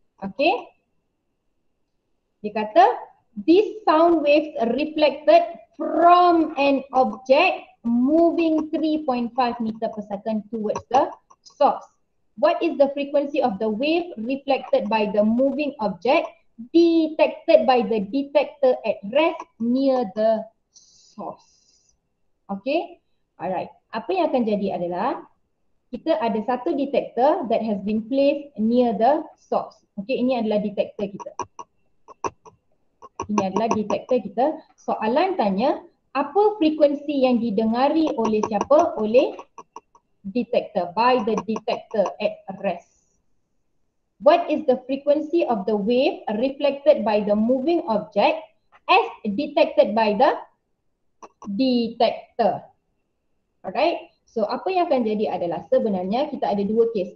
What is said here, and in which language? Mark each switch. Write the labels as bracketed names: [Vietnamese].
[English] Okay, [Malay] dia kata [English] this sound waves reflected from an object moving 3.5 meter per second towards the source. What is the frequency of the wave reflected by the moving object detected by the detector at rest near the source? Okay, alright. [Malay] Apa yang akan jadi adalah kita ada satu detector [English] that has been placed near the source. [Malay] Okay, ini adalah detector kita. Ini adalah detector kita. Soalan tanya, apa frekuensi yang didengari oleh siapa? Oleh detector, [English] by the detector at rest. What is the frequency of the wave reflected by the moving object as detected by the detector? [Malay] Alright, so apa yang akan jadi adalah sebenarnya kita ada dua case.